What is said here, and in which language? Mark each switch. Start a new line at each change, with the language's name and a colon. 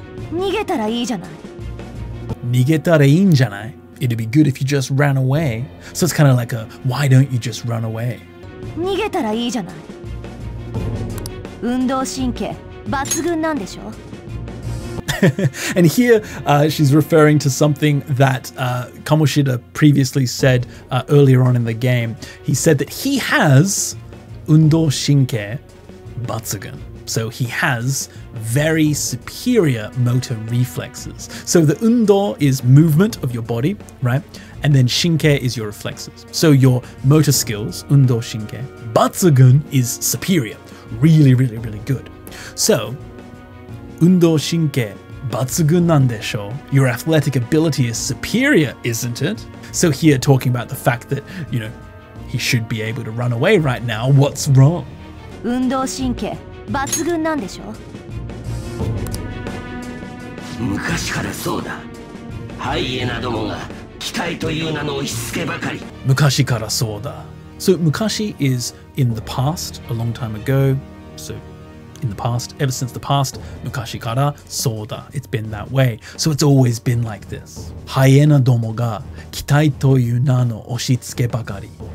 Japanese: 逃げたらいいじゃない。逃げたらいいんじゃない?
English: It'd be good if you just ran away. So it's kind of like a, why don't you just run away?
Japanese: 逃げたらいいじゃない。運動神経、抜群なんでしょ?
English: And here, she's referring to something that Kamoshida previously said earlier on in the game. He said that he has
Japanese: 運動神経抜群.
English: So he has very superior motor reflexes. So the 運動 is movement of your body, right? And then 神経 is your reflexes. So your motor skills, 運動神経抜群 is superior. Really, really, really good. So,
Japanese: 運動神経抜群なんでしょ?
English: Your athletic ability is superior, isn't it? So here talking about the fact that, you know, he should be able to run away right now, what's wrong?
Japanese: 運動神経抜群なんでしょ? 昔からそうだ。ハイエナどもが機械という名の押し付けばかり。昔からそうだ。
English: So mukashi is in the past, a long time ago. So in the past, ever since the past, mukashi kara, soda, it's been that way. So it's always been like this. Hyena domo ga kitai toyu na no oshitsuke bakari.